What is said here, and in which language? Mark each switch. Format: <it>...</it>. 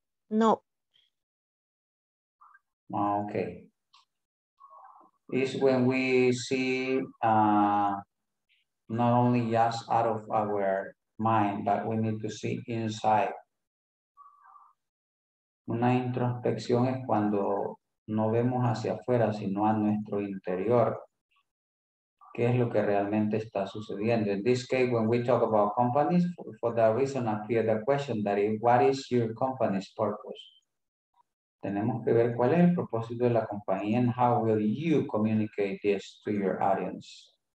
<en>No. Okay. It's when we see not only just out of our mind, but we need to see inside.</en> <es>Una introspección es cuando no vemos hacia afuera, sino a nuestro interior. ¿Qué es lo que realmente está sucediendo?</es> <en>In this case, when we talk about companies, for that reason, I fear the question that is, what is your company's purpose?</en> <es>Tenemos que ver cuál es el propósito de la compañía</es> <en>and how will you communicate this to your audience.</en>